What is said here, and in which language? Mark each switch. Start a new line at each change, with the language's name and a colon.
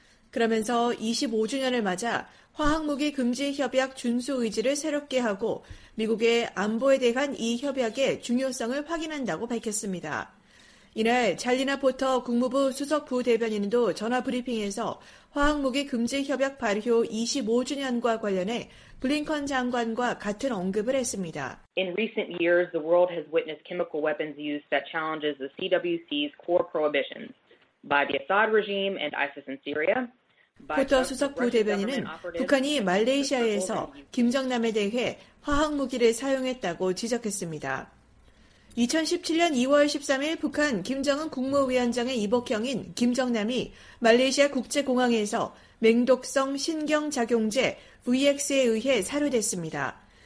Korean: 그러면서 25주년을 맞아 화학무기 금지 협약 준수 의지를 새롭게 하고 미국의 안보에 대한 이 협약의 중요성을 확인한다고 밝혔습니다. 이날 찰리나 포터 국무부 수석 부대변인도 전화 브리핑에서 화학무기 금지 협약 발효 25주년과 관련해 블링컨 장관과 같은 언급을 했습니다.
English: In recent years, the world has witnessed chemical weapons use that challenges the CWC's core prohibitions by the Assad regime and ISIS in Syria.
Korean: 포터 수석 부대변인은 북한이 말레이시아에서 김정남에 대해 화학무기를 사용했다고 지적했습니다. 2017년 2월 13일 북한 김정은 국무위원장의 이복형인 김정남이 말레이시아 국제공항에서 맹독성 신경작용제 VX에 의해 살해됐습니다.